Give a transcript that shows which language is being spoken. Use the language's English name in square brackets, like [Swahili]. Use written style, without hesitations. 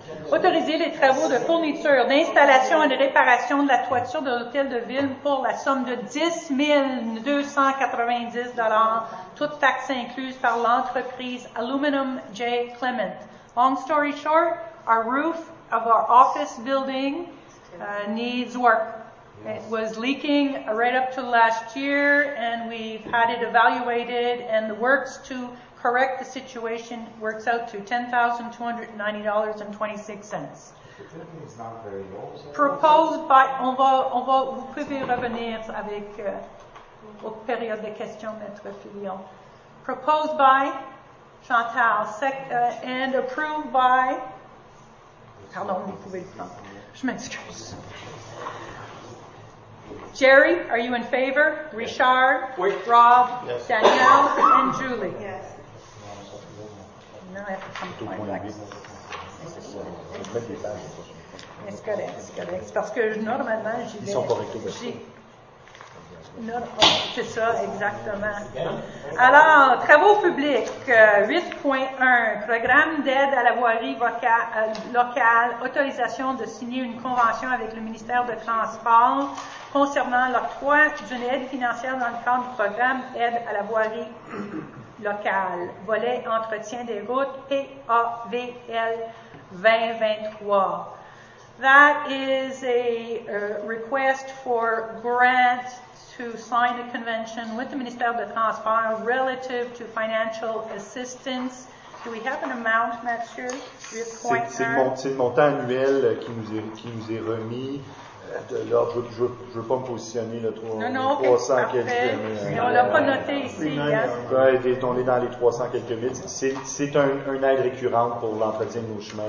[French] Autoriser les travaux de fourniture, d'installation et de réparation de la toiture de l'hôtel de ville pour la somme de $10,290, toutes taxes incluses par l'entreprise Aluminum J. Clement. [English] Long story short, our roof of our office building needs work. It was leaking right up to last year, and we've had it evaluated, and the works to correct the situation works out to $10,290.26. Proposed by, [French] on va, vous pouvez revenir avec aux périodes de questions, Maître Fillon. [English] Proposed by Chantal, and approved by [French] Pardon, vous pouvez le prendre. Je m'excuse. [English] Jerry, are you in favor? Richard? [French] Oui. [English] Rob? Yes. Danielle? And Julie? Yes. [French] Non, elle peut comme point d'accord. C'est ça. C'est correct. C'est parce que normalement, j'y vais. Ils sont corrects aussi. C'est ça, exactement. Alors, travaux publics, 8.1, programme d'aide à la voirie locale, autorisation de signer une convention avec le ministère de Transport concernant l'octroi d'une aide financière dans le cadre du programme aide à la voirie locale, volet entretien des routes, PAVL 2023. [English] That is a request for grant to sign a convention with the Ministère de Transport relative to financial assistance. Do we have an amount, Mathieu? [French] C'est le montant annuel qui nous est remis. Alors, je ne veux pas me positionner là, 300 quelques mille. Non, on ne l'a pas noté ici. On est dans les 300 quelques mille. C'est une aide récurrente pour l'entretien de nos chemins.